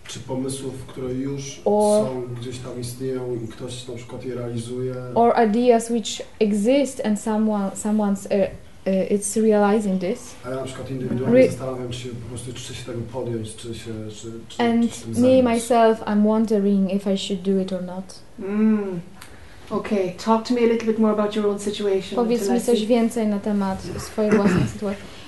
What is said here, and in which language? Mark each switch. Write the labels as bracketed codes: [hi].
[pl] Czy pomysłów, które już or, są gdzieś tam istnieją i ktoś na przykład je realizuje? [en] Or ideas which exist and someone's it's realizing this? [pl] A ja na przykład indywidualnie zastanawiam się po prostu, czy się tego podjąć, czy [en] And [pl] czy [en] me myself, I'm wondering if I should do it or not. Mm. Okay, talk to me a little bit more about your own situation. [pl] Powiedz mi coś więcej na temat swojej własnej sytuacji.